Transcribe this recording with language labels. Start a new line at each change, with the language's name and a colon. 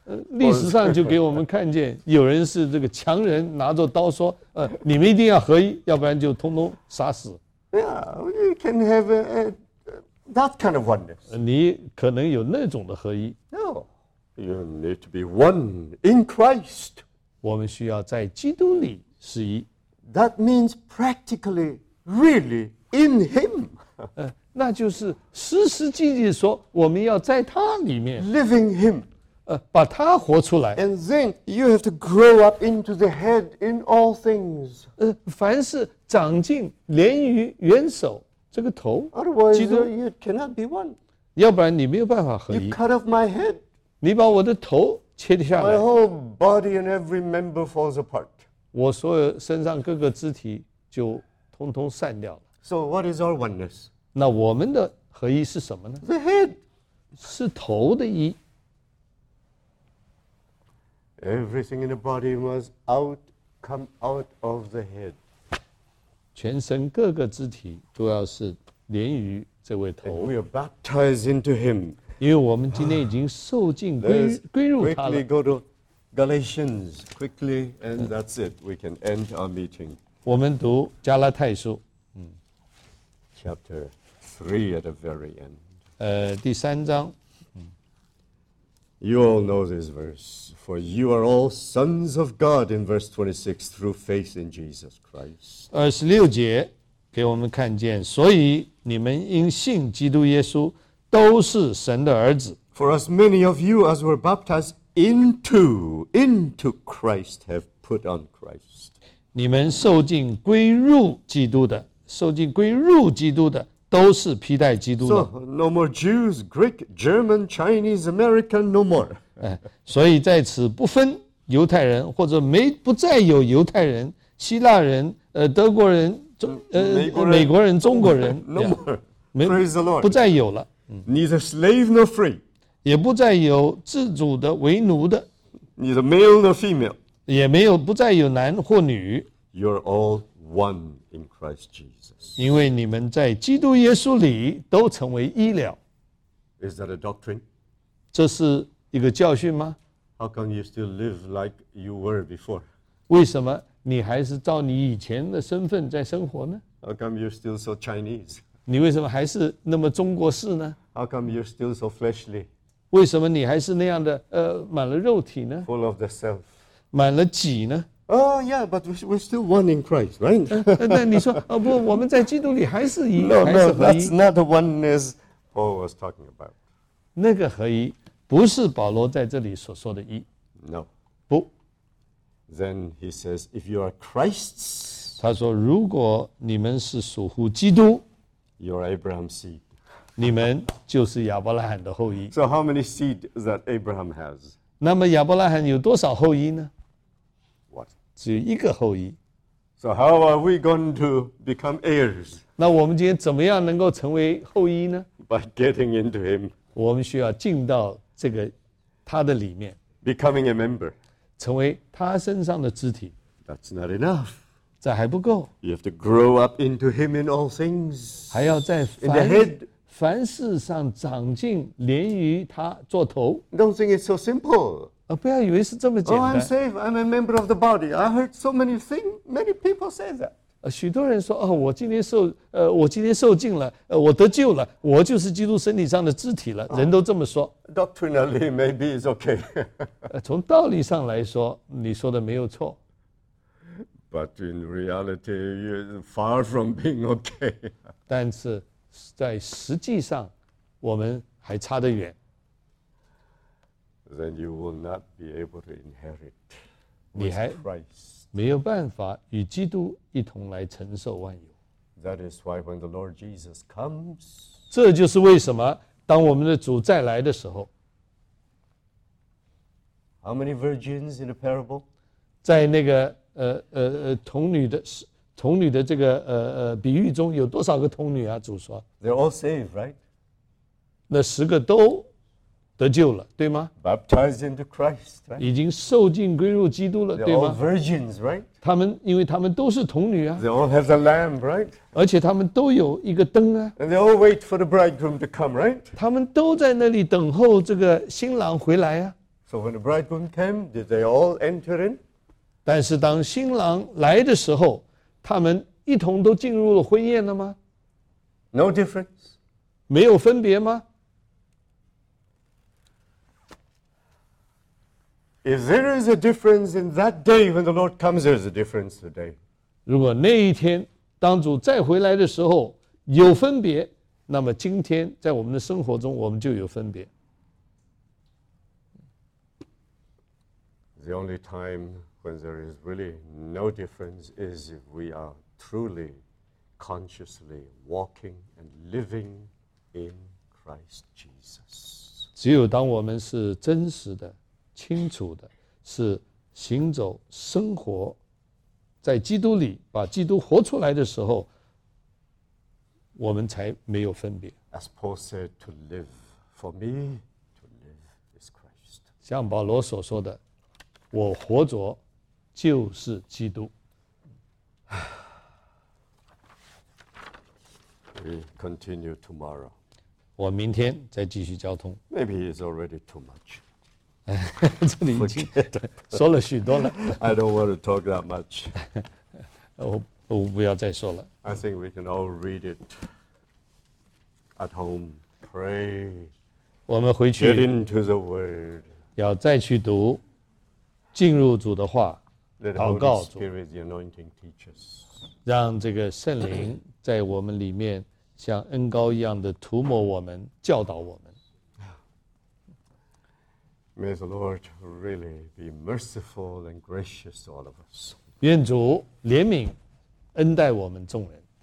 Chinese: 历史上就给我们看见，有人是这个强人，拿着刀说，你们一定要合一，要不然就通通杀死。
English: Yeah, you can have that kind of oneness.
Chinese: 你可能有那种的合一。
English: No, you need to be one in Christ.
Chinese: 我们需要在基督里是一。
English: That means practically, really in Him.
Chinese: 那就是实实际际说，我们要在他里面。
English: Living Him.
Chinese: 把他活出来。
English: And then you have to grow up into the head in all things.
Chinese: 凡事。长进连于元首这个头
English: Otherwise, 基督 you cannot be one.
Chinese: 要不然你没有办法合一
English: you cut off my head.
Chinese: 你把我的头切下来
English: my whole body and every member falls apart.
Chinese: 我所有身上各个肢体就通通散掉了
English: So what is our oneness?
Chinese: 那我们的合一是什么呢
English: The head.
Chinese: 是头的一
English: Everything in the body must out, come out of the head.
Chinese: 全身各个肢体都要是连于这位头。
English: We are baptized into Him.
Chinese: 因为我们今天已经受浸归入他了。
English: Quickly go to Galatians. Quickly, and that's it. We can end our meeting.
Chinese: 我们读加拉太书。
English: Chapter 3 at the very end.
Chinese: 第三章。
English: You all know this verse, for you are all sons of God in verse 26 through faith in Jesus Christ.
Chinese: 26节给我们看见，所以你们因信基督耶稣都是神的儿子。
English: For as many of you as were baptized into Christ have put on Christ.
Chinese: 你们受浸归入基督的，受浸归入基督的。都是披戴基督的。
English: So, no more Jews, Greek, German, Chinese, American, no more.
Chinese: 所以在此不分犹太人，或者没不再有犹太人、希腊人、德国人、美国人、中国人。
English: No more. Praise the Lord.
Chinese: 不再有了。
English: Neither slave nor free.
Chinese: 也不再有自主的、为奴的。
English: Neither male nor female.
Chinese: 也没有不再有男或女。
English: You're all one in Christ Jesus.
Chinese: 因为你们在基督耶稣里都成为一了。
English: Is that a doctrine?
Chinese: 这是一个教训吗
English: ？How come you still live like you were before?
Chinese: 为什么你还是照你以前的身份在生活呢
English: ？How come you're still so Chinese?
Chinese: 你为什么还是那么中国式呢
English: ？How come you're still so fleshly?
Chinese: 为什么你还是那样的满了肉体呢
English: ？Full of the self.
Chinese: 满了己呢？
English: Oh, yeah, but we're still one in Christ, right?
Chinese: 那你说，不，我们在基督里还是一，
English: no,
Chinese: 还是合一。
English: No, that's not the oneness Paul was talking about.
Chinese: 那个合一不是保罗在这里所说的一。
English: No.
Chinese: 不。
English: Then he says, if you are Christ's,
Chinese: 他说，如果你们是属乎基督
English: you're Abraham's seed.
Chinese: 你们就是亚伯拉罕的后裔。
English: So how many seed that Abraham has?
Chinese: 那么亚伯拉罕有多少后裔呢？只有一个后裔。
English: So how are we going to become heirs?
Chinese: 那我们今天怎么样能够成为后裔呢
English: ？By getting into him.
Chinese: 我们需要进到这个他的里面。
English: Becoming a member.
Chinese: 成为他身上的肢体。
English: That's not enough.
Chinese: 这还不够。
English: You have to grow up into him in all things.
Chinese: 还要在
English: in the head.
Chinese: 凡事上长进，连于他做头。
English: Don't think it's so simple.
Chinese: 不要以为是这么简单。
English: Oh, I'm safe. I'm a member of the body. I heard so many things. Many people say that.
Chinese: 许多人说，哦，我今天受浸了，我得救了，我就是基督身体上的肢体了。人都这么说。
English: Doctrinally, maybe it's okay.
Chinese: 从道理上来说，你说的没有错。
English: But in reality, you're far from being okay.
Chinese: 但是在实际上，我们还差得远。
English: Then you will not be able to inherit with Christ.
Chinese: 没有办法与基督一同来承受万有。
English: That is why when the Lord Jesus comes,
Chinese: 这就是为什么当我们的主再来的时候。
English: How many virgins in the parable?
Chinese: 在那个童女的这个比喻中有多少个童女啊？主说。
English: They're all saved, right?
Chinese: 那十个都得救了，对吗
English: ？Baptized into Christ, right?
Chinese: 已经受浸归入基督了，对吗
English: ？They're all virgins, right?
Chinese: 他们因为他们都是童女啊。
English: They all have the lamb, right?
Chinese: 而且他们都有一个灯啊。
English: And they all wait for the bridegroom to come, right?
Chinese: 他们都在那里等候这个新郎回来啊。
English: So when the bridegroom came, did they all enter in?
Chinese: 但是当新郎来的时候，他们一同都进入了婚宴了吗
English: ？No difference.
Chinese: 没有分别吗？
English: If there is a difference in that day when the Lord comes, there is a difference today.
Chinese: 如果那一天当主再回来的时候有分别，那么今天在我们的生活中我们就有分别。
English: The only time when there is really no difference is if we are truly, consciously walking and living in Christ Jesus.
Chinese: 只有当我们是真实的清楚的是行走生活在基督里把基督活出来的时候我们才没有分别
English: As Paul said to live for me to live is Christ
Chinese: 像保罗所说的我活着就是基督
English: We continue tomorrow
Chinese: 我明天再继续交通
English: Maybe it's already too much
Chinese: 这里已经说了许多了
English: I don't want to talk that much
Chinese: 我不要再说了
English: I think we can all read it at home pray
Chinese: 我们回去
English: get into the word
Chinese: 要再去读进入主的话祷告主
English: Let the Holy Spirit, the anointing teaches
Chinese: 让这个圣灵在我们里面像恩膏一样的涂抹我们教导我们
English: May the Lord really be merciful and gracious to all of us.
Chinese: 愿主怜悯恩待我们众人。